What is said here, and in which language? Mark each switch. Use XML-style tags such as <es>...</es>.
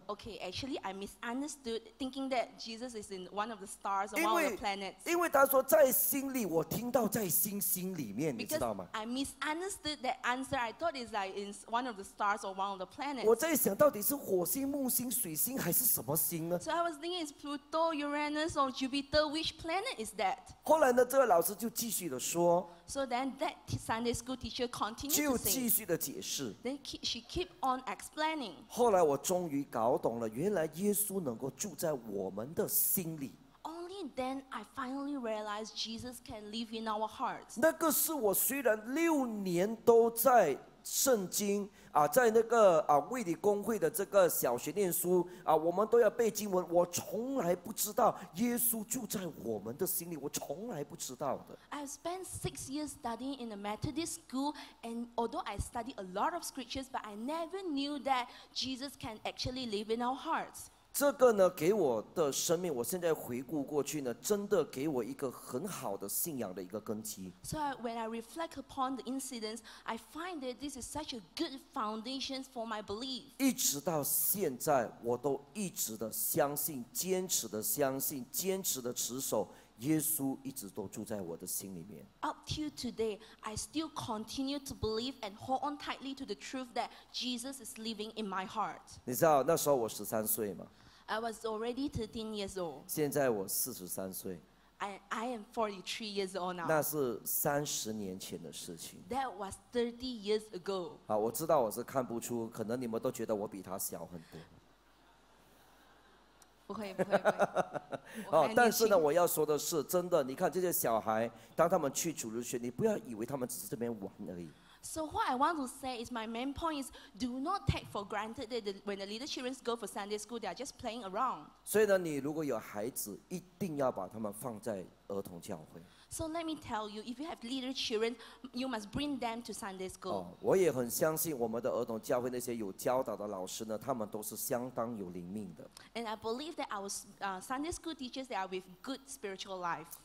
<en>？Okay, actually, I misunderstood, thinking that Jesus is in one of the stars or one of the planets.</en> <zh>因为他说在心里，我听到在心里面，你知道吗</zh> <en>？I misunderstood that answer. I thought it's like in one of the stars or one of the planets.</en> <zh>我在想到底是火星、木星、水星还是什么星呢</zh> <en>？So I was thinking it's Pluto, Uranus, or Jupiter. Which planet is that？</en> <zh>后来呢，这个老师就继续的说。</zh> <en>So then that Sunday school teacher continued to say.</en> <zh>就继续的解释。</zh> <en>Then she keep on explaining.</en> <zh>后来我终于搞懂了，原来耶稣能够住在我们的心里。</zh> <en>Only then I finally realized Jesus can live in our hearts.</en> <zh>那个是我虽然六年都在圣经啊，在那个啊卫理公会的这个小学念书啊，我们都要背经文。我从来不知道耶稣住在我们的心里，我从来不知道的。</zh> <en>I've spent 6 years studying in a Methodist school, and although I study a lot of scriptures, but I never knew that Jesus can actually live in our hearts.</en> <zh>这个呢，给我的生命，我现在回顾过去呢，真的给我一个很好的信仰的一个根基。</zh> <en>So when I reflect upon the incidents, I find that this is such a good foundation for my belief.</en> <zh>一直到现在，我都一直的相信，坚持的相信，坚持的持守。耶稣一直都住在我的心里面。</zh> <en>Up till today, I still continue to believe and hold on tightly to the truth that Jesus is living in my heart.</en> <zh>你知道那时候我13岁吗</zh> <en>？I was already 13 years old.</en> <zh>现在我43岁。</zh> <en>I am 43 years old now.</en> <zh>那是三十年前的事情。</zh> <en>That was 30 years ago.</en> <zh>好，我知道我是看不出，可能你们都觉得我比他小很多。不会。但是呢，我要说的是，真的，你看这些小孩，当他们去主日学，你不要以为他们只是这边玩而已。</zh> <en>So what I want to say is my main point is do not take for granted that when the little children go for Sunday school, they are just playing around.</en> <zh>所以呢，你如果有孩子，一定要把他们放在儿童教会。</zh> <en>So let me tell you, if you have little children, you must bring them to Sunday school.</en> <zh>我也很相信我们的儿童教会那些有教导的老师呢，他们都是相当有灵命的。</zh> <en>And I believe that our Sunday school teachers, they are with good spiritual life.</en>